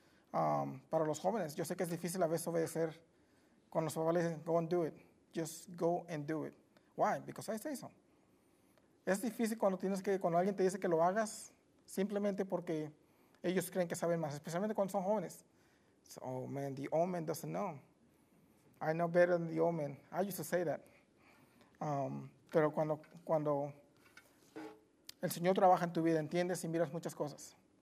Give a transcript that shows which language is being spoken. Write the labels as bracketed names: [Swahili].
[Spanish] Para los jóvenes, yo sé que es difícil a veces obedecer cuando los papás dicen, [English] go and do it, just go and do it. Why? Because I say so. [Spanish] Es difícil cuando alguien te dice que lo hagas simplemente porque ellos creen que saben más, especialmente cuando son jóvenes. [English] So, oh man, the old man doesn't know. I know better than the old man. I used to say that. [Spanish] Pero cuando el Señor trabaja en tu vida, entiendes y miras muchas cosas.